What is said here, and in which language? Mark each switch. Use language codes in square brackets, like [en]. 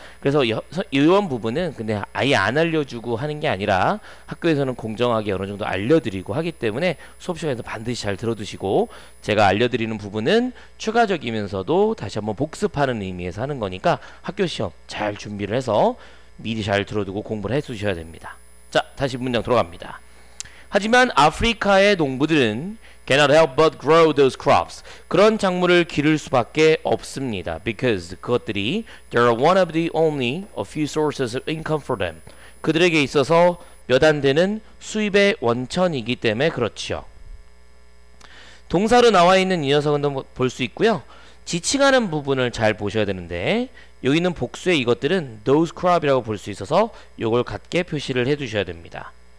[ko] 그래서 이런 부분은 근데 아예 안 알려주고 하는 게 아니라 학교에서는 공정하게 어느 정도 알려드리고 하기 때문에 수업 시간에서 반드시 잘 들어두시고 제가 알려드리는 부분은 추가적이면서도 다시 한번 복습하는 의미에서 하는 거니까 학교 시험 잘 준비를 해서 미리 잘 들어두고 공부를 해주셔야 됩니다. 자, 다시 문장 들어갑니다. 하지만 아프리카의 농부들은 [en] cannot help but grow those crops. [ko] 그런 작물을 기를 수밖에 없습니다. [en] Because [ko] 그것들이 [en] there are one of the only a few sources of income for them. [ko] 그들에게 있어서 몇 안 되는 수입의 원천이기 때문에 그렇지요. 동사로 나와 있는 이 녀석은 볼 수 있고요. 지칭하는 부분을 잘 보셔야 되는데 여기는 복수의 이것들은 those crop이라고 볼 수 있어서 이걸 같게 표시를 해두셔야 됩니다.